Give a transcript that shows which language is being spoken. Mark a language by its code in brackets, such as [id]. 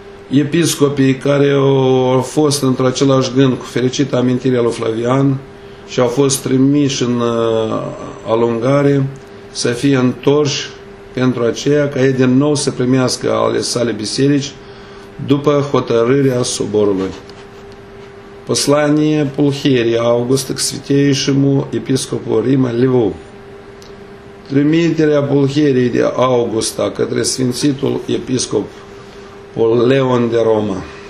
[ro] Episcopii care au fost într-o același gând cu fericită amintire a lui Flavian și au fost trimiși în alungare să fie întorși pentru aceea ca ei din nou să primească ale sale biserici după hotărârea soborului. [ru] Послание Пульхерии Августа к святейшему епископу Рима Льву. [ro] Trimiterea Пульхерии de Augusta către Sfințitul Episcop Леон де Рома.